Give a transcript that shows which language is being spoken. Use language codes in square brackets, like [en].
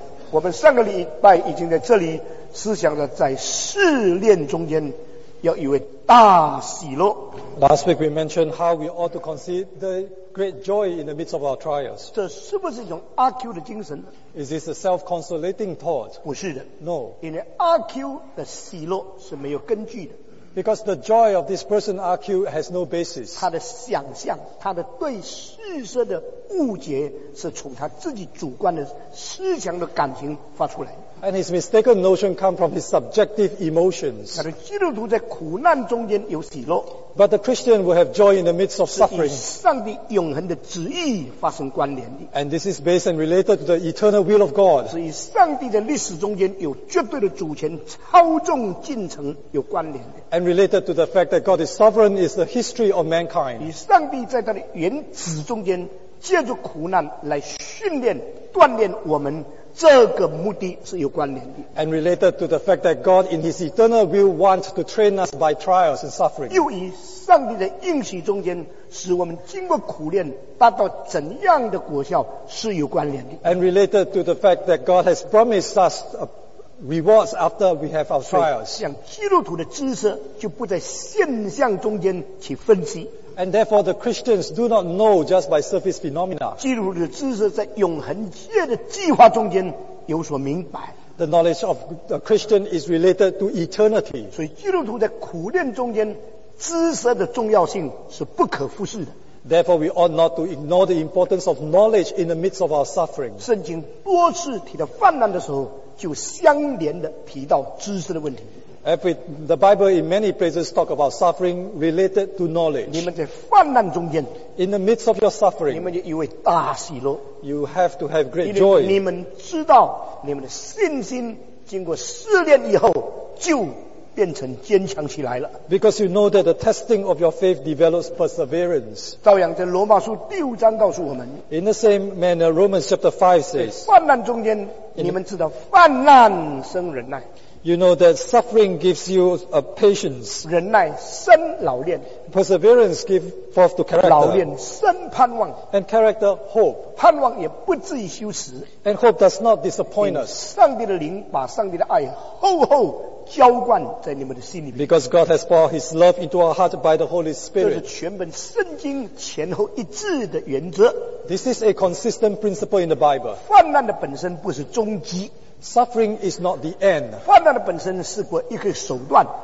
[zh] 我们上个礼拜已经在这里思想了，在试炼中间要有一位大喜乐。 [en] Last week we mentioned how we ought to consider great joy in the midst of our trials. [zh] 这是不是一种阿 Q 的精神？ [en] Is this a self-consolating thought? [zh] 不是的。 [en] No. [zh] 因为阿 Q 的喜乐是没有根据的。 [en] Because the joy of this person, RQ, has no basis. [zh] 他的想象，他的对事实的误解，是从他自己主观的思想的感情发出来。 [en] And his mistaken notion comes from his subjective emotions. [zh] 但是基督徒在苦难中间有喜乐。 [en] But the Christian will have joy in the midst of suffering. [zh] 是与上帝永恒的旨意发生关联的。 [en] And this is based and related to the eternal will of God. [zh] 是与上帝的历史中间有绝对的主权操纵进程有关联的。 [en] And related to the fact that God is sovereign is the history of mankind. [zh] 与上帝在他的原旨中间借着苦难来训练锻炼我们，这个目的是有关联的。 [en] And related to the fact that God in His eternal will wants to train us by trials and suffering. [zh] 又以上帝的应许中间使我们经过苦练达到怎样的果效是有关联的。 [en] And related to the fact that God has promised us rewards after we have our trials. [zh] 像基督徒的知识就不在现象中间去分析。 [en] And therefore, the Christians do not know just by surface phenomena. [zh] 基督的知识在永恒界的计划中间有所明白。 [en] The knowledge of the Christian is related to eternity. [zh] 所以基督徒在苦练中间，知识的重要性是不可忽视的。 [en] Therefore, we ought not to ignore the importance of knowledge in the midst of our suffering. [zh] 圣经多次提到患难的时候，就相连的提到知识的问题。 [en] The Bible in many places talk about suffering related to knowledge. [zh] 你们在患难中间， [en] in the midst of your suffering, [zh] 你们就有位大喜乐。 [en] You have to have great joy. [zh] 你们知道你们的信心经过试炼以后就变成坚强起来了。 [en] Because you know that the testing of your faith develops perseverance. [zh] 照样在罗马书第五章告诉我们， [en] in the same manner, Romans chapter 5 says, [zh] 患难中间你们知道患难生忍耐。 [en] You know that suffering gives you a patience. [zh] 忍耐生老练。 [en] Perseverance gives forth to character. [zh] 老练生盼望。 [en] And character hope. [zh] 盼望也不至于羞耻。 [en] And hope does not disappoint us. [zh] 上帝的灵把上帝的爱厚厚浇灌在你们的心里面。 [en] Because God has poured His love into our heart by the Holy Spirit. [zh] 这是全本圣经前后一致的原则。 [en] This is a consistent principle in the Bible. [zh] 患难的本身不是终极。 [en] Suffering is not the end. [zh] 患难的本身是过一个手段。